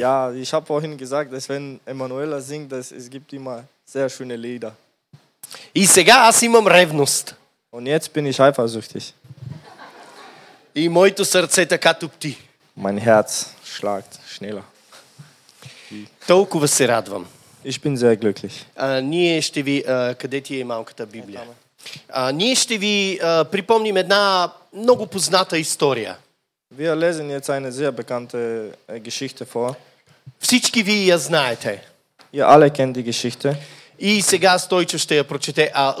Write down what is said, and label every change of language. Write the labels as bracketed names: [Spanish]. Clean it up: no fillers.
[German] Ja, ich habe vorhin gesagt, dass wenn Emanuela singt, dass es gibt immer sehr schöne Lieder. [Bulgarian] И сега аз имам ревност. [German] Und jetzt bin ich eifersüchtig. [Bulgarian] И моето сърце така тупти. [German] Mein Herz schlägt schneller. [Bulgarian] Толкова се радвам. [German] Ich bin sehr glücklich. [Bulgarian] Ние ще ви къде ти е малката Библия? Ние ще ви припомним една много позната история. [German] Wir lesen jetzt eine sehr bekannte Geschichte vor. [Bulgarian] Всички ви я знаете. [German] Ihr alle kennt die Geschichte. [Bulgarian] И сега Стойчо ще я прочете.